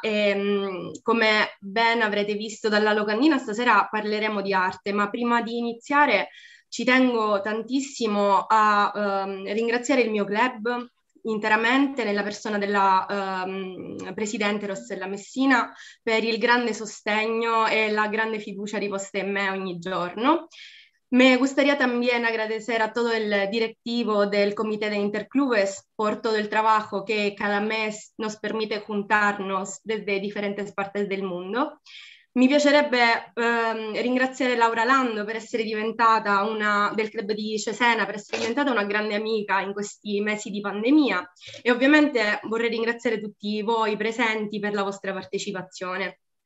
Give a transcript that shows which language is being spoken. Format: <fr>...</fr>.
<it>E, come ben avrete visto dalla locandina, stasera parleremo di arte, ma prima di iniziare ci tengo tantissimo a ringraziare il mio club interamente nella persona della Presidente Rossella Messina per il grande sostegno e la grande fiducia riposta in me ogni giorno.</it> <es>Me gustaría también agradecer a todo el directivo del Comité de Interclubes por todo el trabajo que cada mes nos permite juntarnos desde diferentes partes del mundo.</es> <it>Mi piacerebbe ringraziare Laura Lando per essere diventata una del club di Cesena, per essere diventata una grande amica in questi mesi di pandemia. E ovviamente vorrei ringraziare tutti voi presenti per la vostra partecipazione.</it>